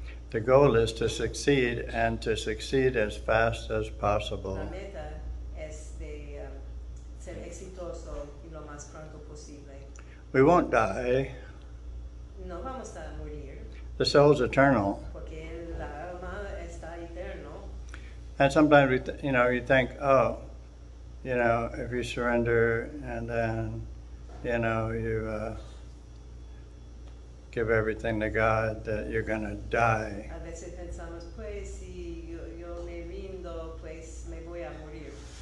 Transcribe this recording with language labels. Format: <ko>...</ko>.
<en>the goal is to succeed and to succeed as fast as possible.</en> <es>La meta es de ser exitoso y lo más pronto posible.</es> <en>We won't die.</en> <es>No vamos a morir.</es> <en>The soul is eternal.</en> <es>Porque el alma está eterno.</es> <en>And sometimes you think, oh, you know, if you surrender and then, you know, you give everything to God, that you're going to die.</en> <es>A veces pensamos, pues, si yo me rindo, pues, me voy a morir.</es>